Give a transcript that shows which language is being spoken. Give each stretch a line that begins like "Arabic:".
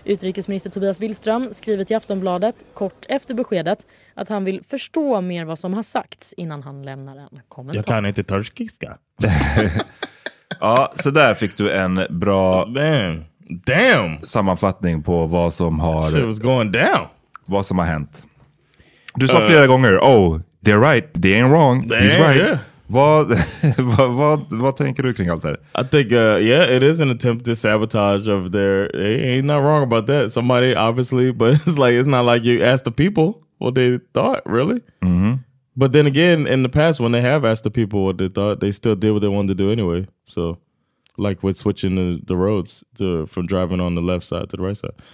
Swedish: Utrikesminister Tobias Billström skriver till Aftonbladet kort efter beskedet att han vill förstå mer vad som har sagts innan han lämnar en kommentar. Jag kan inte turkiska. Ja, så där fick du en bra
English: Damn.
Swedish: Sammanfattning på vad som har
English: shit was going down.
Swedish: Vad som har hänt. Du sa flera gånger,
English: oh, they're right, they ain't wrong, he's right. Yeah.
Swedish: Vad tänker du kring allt det?
English: I think, yeah, it is an attempt to sabotage of their, ain't not wrong about that. Somebody, obviously, but it's like, it's not like you asked the people what they thought, really. Mm-hmm. But then again, in the past, when they have asked the people what they thought, they still did what they wanted to do anyway. So, like with switching the roads to from driving on the left side to the right side.